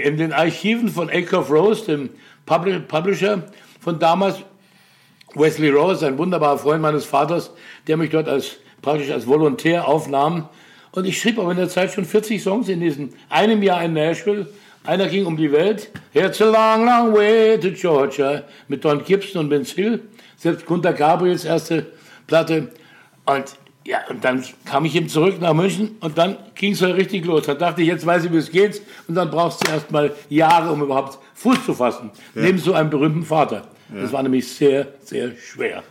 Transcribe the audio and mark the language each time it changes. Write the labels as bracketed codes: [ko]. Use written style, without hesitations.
[de] In den Archiven von Acre of Rose, dem Publisher von damals, Wesley Rose, ein wunderbarer Freund meines Vaters, der mich dort als praktisch als Volontär aufnahm. Und ich schrieb aber in der Zeit schon 40 Songs in diesem einem Jahr in Nashville. Einer ging um die Welt. [en] It's a long, long way to Georgia. [de] Mit Don Gibson und Vince Hill. Selbst Gunter Gabriels erste Platte. Und ja, und dann kam ich eben zurück nach München. Und dann ging es halt richtig los. Da dachte ich, jetzt weiß ich, wie es geht. Und dann brauchst du erst mal Jahre, um überhaupt Fuß zu fassen. Ja. Neben so einem berühmten Vater. Ja. Das war nämlich sehr, sehr schwer.